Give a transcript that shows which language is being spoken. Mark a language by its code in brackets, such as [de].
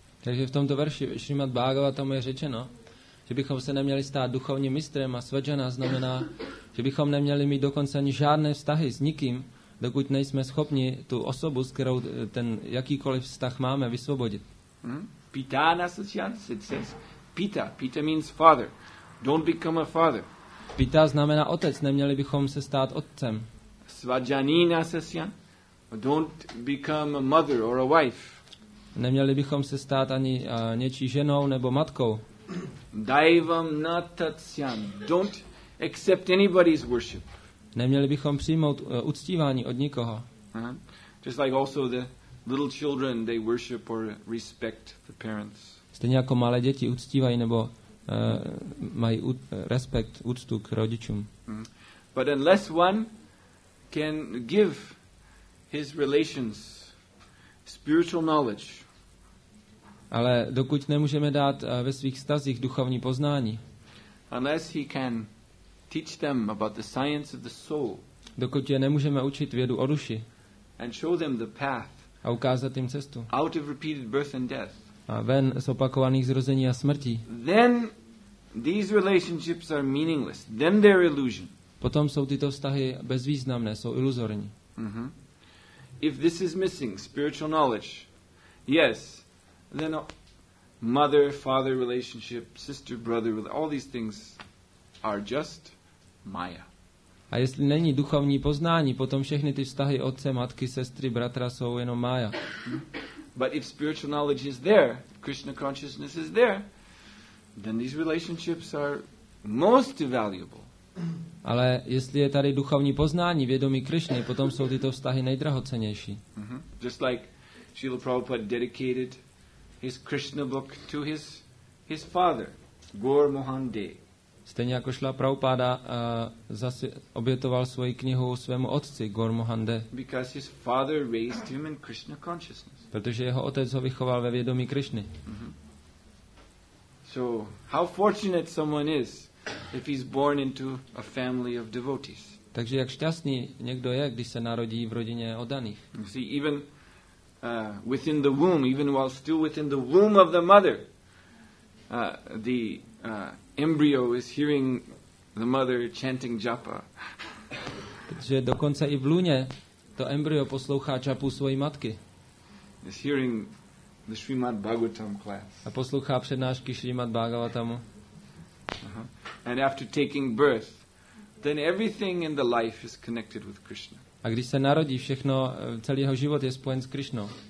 [cs] Takže v tomto verši Šrimad Bhagavatam je řečeno, že bychom se neměli stát duchovním mistrem a svadžana znamená, že bychom neměli mít dokonce ani žádné vztahy s nikým, dokud nejsme schopni tu osobu, s kterou ten jakýkoliv vztah máme, vysvobodit. [sa] Pita nasasyans, [en] it says. Pita. Pita means father. Don't become a father. [cs] Pita znamená otec, neměli bychom se stát otcem. [sa] Svadžani nasasyan. [en] Don't become a mother or a wife. [cs] Neměli bychom se stát ani něčí ženou nebo matkou. [sa] Daivam natatsyan. [en] Don't accept anybody's worship. [cs] Neměli bychom přijmout uctívání od nikoho. [en] Just like also the little children, they worship or respect the parents. [cs] Stejně jako malé děti uctívají nebo mají respekt, úctu k rodičům. [en] But unless one can give his relations spiritual knowledge. [cs] Ale dokud nemůžeme dát ve svých stazích duchovní poznání. [en] Unless he can teach them about the science of the soul. [cs] Dokud je nemůžeme učit vědu o duši. [en] And show them the path. [cs] A ukázat jim cestu. [en] Out of repeated birth and death. [cs] A ven z opakovaných zrození a smrti. [en] Then these relationships are meaningless. Then they're illusion. [cs] Potom jsou tyto vztahy bezvýznamné, jsou iluzorní. [en] If this is missing spiritual knowledge. Yes. Then mother father relationship, sister brother, all these things are just maya. [cs] A jestli není duchovní poznání, potom všechny ty vztahy otce, matky, sestry, bratra jsou jenom maya. [en] But if spiritual knowledge is there, Krishna consciousness is there, then these relationships are most valuable. [cs] Ale jestli je tady duchovní poznání, vědomí Krishny, potom jsou tyto vztahy nejdrahocennější. [en] Just like Srila Prabhupada dedicated his Krishna book to his father, Gaur Mohan Day. [cs] Stejně jako Srila Prabhupada zase obětoval svoji knihu svému otci Gaur Mohan Day. [en] Because his father raised him in Krishna consciousness. [cs] Protože jeho otec ho vychoval ve vědomí Krishny. [en] So how fortunate someone is if he's born into a family of devotees. [cs] Takže jak šťastný někdo je, když se narodí v rodině oddaných. [en] See, even within the womb, even while still within the womb of the mother, the embryo is hearing the mother chanting japa. [cs] Takže dokonce i v lůně to embryo poslouchá japu svojí matky. [en] Is hearing the Srimad Bhagavatam class. [cs] A poslouchá přednášky Srimad Bhagavatamu. [en] And after taking birth, then everything in the life is connected with Krishna. [cs] A když se narodí, všechno, celý jeho život je spojen s Krishnou.